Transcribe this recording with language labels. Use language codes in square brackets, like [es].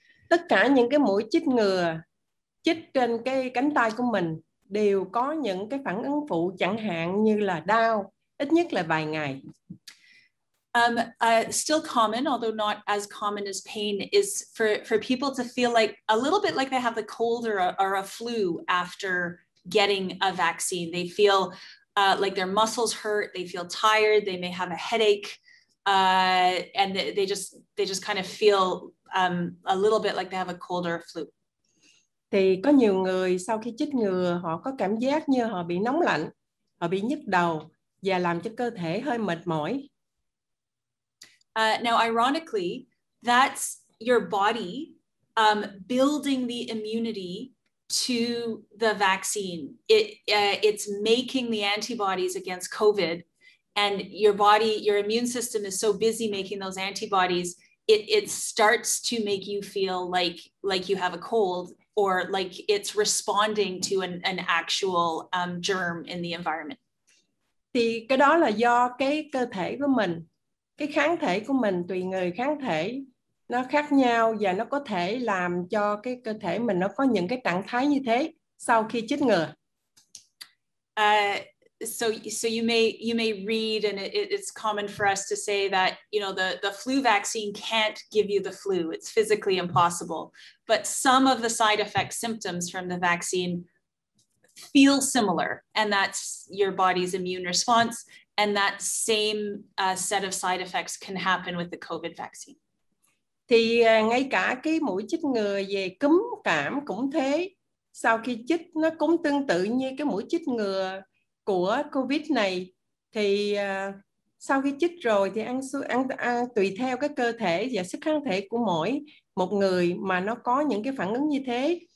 [vi] Tất cả những cái mũi chích ngừa chích trên cái cánh tay của mình đều có những cái phản ứng phụ, chẳng hạn như là đau, ít nhất là vài ngày. [en] Still common, although not as common as pain, is for people to feel like a little bit like they have the cold or a flu after getting a vaccine. They feel like their muscles hurt, they feel tired, they may have a headache, and they just kind of feel a little bit like they have a cold or a flu. [vi] Thì có nhiều người sau khi chích ngừa họ có cảm giác như họ bị nóng lạnh, họ bị nhức đầu và làm cho cơ thể hơi mệt mỏi. [en] Now, ironically, that's your body building the immunity to the vaccine. It's making the antibodies against COVID, and your body, your immune system is so busy making those antibodies, it starts to make you feel like you have a cold, or like it's responding to an actual germ in the environment. [vi] Thì cái đó là do cái cơ thể của mình. Cái kháng thể của mình, tùy người kháng thể, nó khác nhau và nó có thể làm cho cái cơ thể mình nó có những cái trạng thái như thế sau khi chích ngừa. [en] So you may read, and it's common for us to say that, you know, the flu vaccine can't give you the flu. It's physically impossible. But some of the side effect symptoms from the vaccine feel similar, and that's your body's immune response. And that same set of side effects can happen with the COVID vaccine. [vi] Thì ngay cả cái mũi chích ngừa về cúm cảm cũng thế. Sau khi chích nó cũng tương tự như cái mũi chích ngừa của COVID này. Thì sau khi chích rồi thì ăn tùy theo cái cơ thể và sức kháng thể của mỗi một người mà nó có những cái phản ứng như thế.